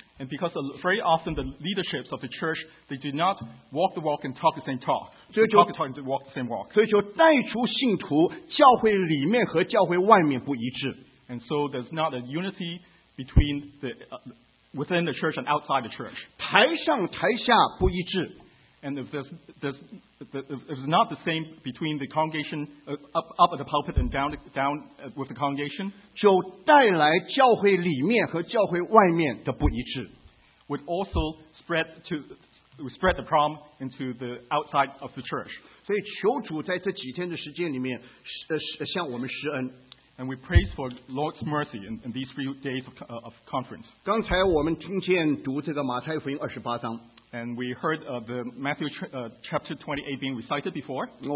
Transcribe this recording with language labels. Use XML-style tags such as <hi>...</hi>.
<en>And because very often the leaderships of the church, they do not walk the walk and talk the same talk. They walk the same walk.</en> <zh>所以就带出信徒，教会里面和教会外面不一致。</zh> <en>And so there's not a unity between within the church and outside the church.</en> <zh>台上台下不一致。</zh> <en>And if there's not the same between the congregation up at the pulpit and down with the congregation,</en> <zh>就带来教会里面和教会外面的不一致,</zh> <en>would also spread the problem into the outside of the church.</en> <zh>所以求主在这几天的时间里面向我们施恩。</zh> <en>And we praise for Lord's mercy in these few days of conference.</en> <zh>刚才我们听见读这个马太福音28章。</zh> <en>And we heard the Matthew chapter 28 being recited before.</en>